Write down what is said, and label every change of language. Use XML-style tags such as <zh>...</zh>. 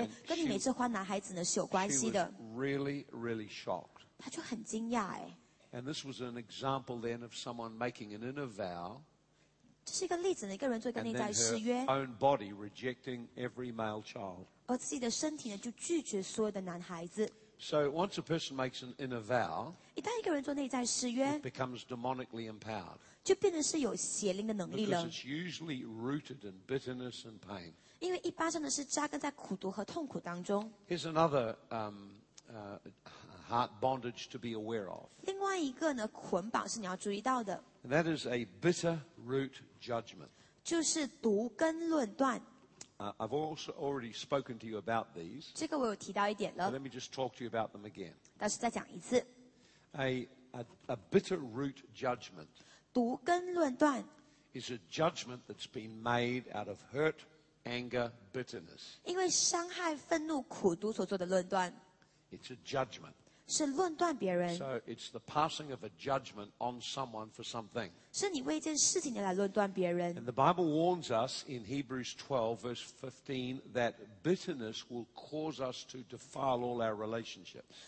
<zh>我就问她说，你有没有发现到你这个内在誓约跟你每次换男孩子呢是有关系的？</zh> <en>She was really, really shocked.</en> <zh>她就很惊讶哎。</zh> <en>And this was an example then of someone making an inner vow.</en> <zh>这是一个例子呢，一个人做一个内在誓约。</zh> <en>And then her own body rejecting every male child.</en> <zh>而自己的身体呢，就拒绝所有的男孩子。</zh> <en>So once a person makes an inner vow,</en> <zh>一旦一个人做内在誓约,</zh> <en>it becomes demonically empowered.</en> <zh>就变成是有邪灵的能力了。</zh> <en>Because it's usually rooted in bitterness and pain.</en> <zh>因为一般上的是扎根在苦毒和痛苦当中。</zh> <en>Here's another heart bondage to be aware of.</en> <zh>另外一个呢，捆绑是你要注意到的。</zh> <en>And that is a bitter root judgment.</en> <zh>就是毒根论断。</zh> <en>I've also already spoken to you about these.</en> <zh>这个我有提到一点了。</zh> <en>Let me just talk to you about them again.</en> <zh>但是再讲一次。</zh> <en>A bitter root judgment.</en> <zh>毒根论断。</zh> <en>Is a judgment that's been made out of hurt, anger, bitterness.</en> <zh>因为伤害、愤怒、苦毒所做的论断。</zh> <en>It's a judgment.</en> <zh>是论断别人。</zh> <en>So it's the passing of a judgment on someone for something.</en> <zh>是你为一件事情来论断别人。</zh> <en>And the Bible warns us in Hebrews 12, verse 15, that bitterness will cause us to defile all our relationships.</en>